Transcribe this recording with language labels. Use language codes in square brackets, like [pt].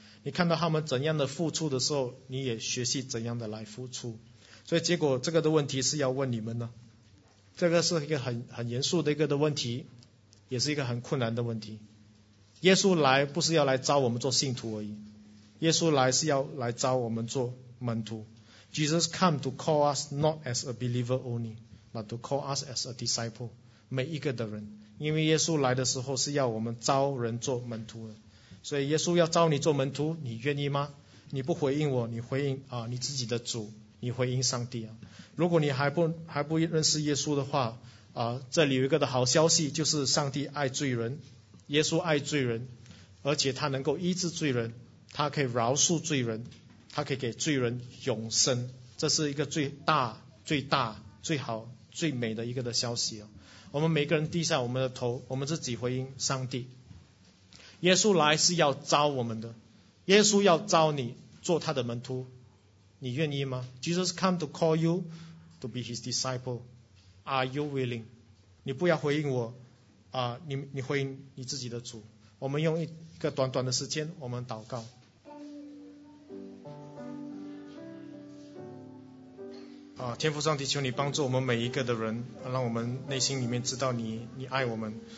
[zh] 你看到他们怎样的付出的时候，你也学习怎样的来付出。所以结果这个的问题是要问你们呢，这个是一个很严肃的一个的问题，也是一个很困难的问题。耶稣来不是要来招我们做信徒而已，耶稣来是要来招我们做门徒。 [en] Jesus come to call us not as a believer only but to call us as a disciple， [zh] 每一个的人，因为耶稣来的时候是要我们招人做门徒的。所以耶稣要招你做门徒，你愿意吗？你不回应我，你回应啊你自己的主，你回应上帝啊。如果你还不认识耶稣的话啊，这里有一个的好消息，就是上帝爱罪人，耶稣爱罪人，而且他能够医治罪人，他可以饶恕罪人，他可以给罪人永生，这是一个最大最大最好最美的一个的消息啊。我们每个人低下我们的头，我们自己回应上帝。耶稣来是要招我们的，耶稣要招你做他的门徒，你愿意吗？ [en] Jesus come to call you to be his disciple. Are you willing? [zh] 你不要回应我啊，你回应你自己的主。我们用一个短短的时间我们祷告。啊，天父上帝，求你帮助我们每一个的人，让我们内心里面知道你爱我们。